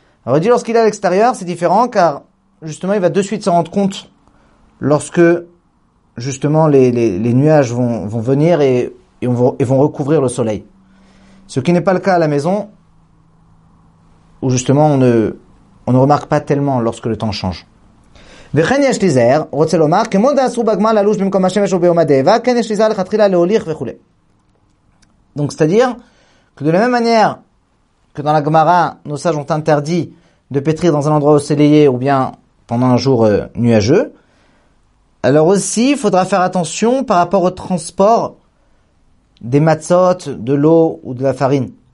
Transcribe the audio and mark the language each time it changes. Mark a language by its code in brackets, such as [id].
[fr] Alors il dit lorsqu'il est à l'extérieur, c'est différent car justement il va de suite s'en rendre compte lorsque justement les nuages vont venir et vont recouvrir le soleil. Ce qui n'est pas le cas à la maison où justement on ne remarque pas tellement lorsque le temps change. [he] וכן יש להיזהר, רוצה לומר, כמו דאסרו בגמר ללוש במקום השמש וביום הדאבה, כן יש להיזהר לכתחילה להוליך וכו'. [fr] Donc c'est-à-dire que de la même manière que dans la Gemara, nos sages ont interdit de pétrir dans un endroit ensoleillé ou bien pendant un jour nuageux, alors aussi il faudra faire attention par rapport au transport des matzot, de l'eau ou de la farine.